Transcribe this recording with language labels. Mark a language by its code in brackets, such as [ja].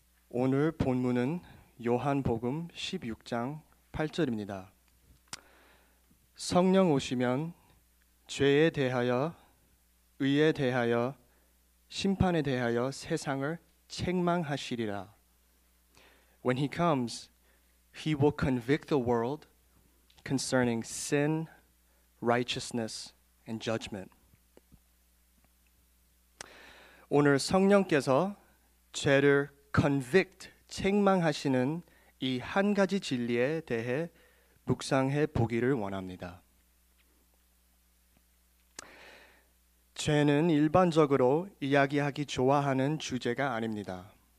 [ko] 오늘 본문은 요한복음 16장 8절입니다. 성령 오시면 죄에 대하여, 의에 대하여, 심판에 대하여 세상을 책망하시리라. [en] When he comes, he will convict the world concerning sin, righteousness, and judgment. [ko] 오늘 성령께서 죄를 convict, 책망하시는 이한 가지 진리에 대해 묵상해 보기를 원합니다. 죄는 일반적으로 이야기하기 좋아하는 주제가 아닙니다.